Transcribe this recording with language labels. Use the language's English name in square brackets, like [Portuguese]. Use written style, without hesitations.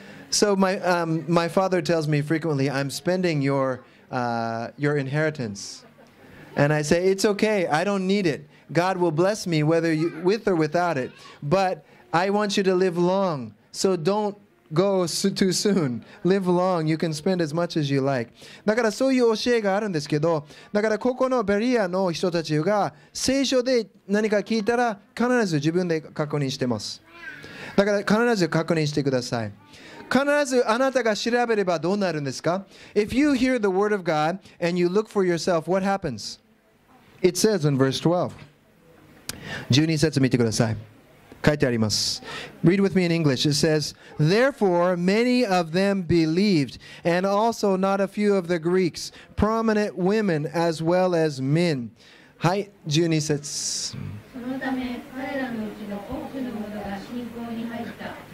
[English] So my father tells me frequently, I'm spending your inheritanceAnd I say, it's okay, I don't need it. God will bless me whether you, with or without it. But I want you to live long, so don't go too soon. Live long, you can spend as much as you like. [Japanese] だからそういう教えがあるんですけど、だからここのベリアの人たちが聖書で何か聞いたら必ず自分で確認してます。だから必ず確認してください。必ずあなたが調べればどうなるんですか? [English] If you hear the word of God and you look for yourself, what happens? It says in verse 12. [Japanese] 12節見てください。書いてあります。 [English] Read with me in English. It says, Therefore many of them believed, and also not a few of the Greeks, prominent women as well as men. [Japanese] はい、12節。そのため彼らのうちの多くの者が信仰に入った。